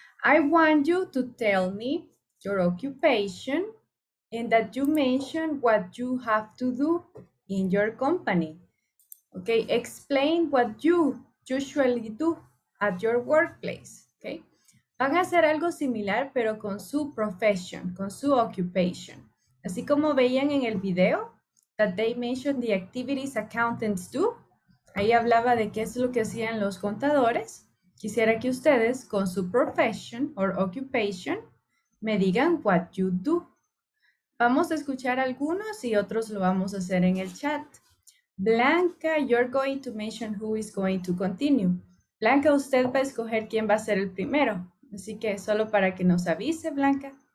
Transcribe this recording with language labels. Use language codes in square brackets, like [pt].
[en] I want you to tell me your occupation and that you mention what you have to do in your company. Okay, explain what you usually do at your workplace, okay? [es] Van a hacer algo similar, pero con su profession, con su occupation. Así como veían en el video, [en] that they mentioned the activities accountants do, [es] ahí hablaba de qué es lo que hacían los contadores. Quisiera que ustedes, con su profession or occupation, me digan [en] what you do. [es] Vamos a escuchar algunos y otros lo vamos a hacer en el chat. [en] Blanca, you're going to mention who is going to continue. [es] Blanca, usted va a escoger quién va a ser el primero. Así que solo para que nos avise, Blanca.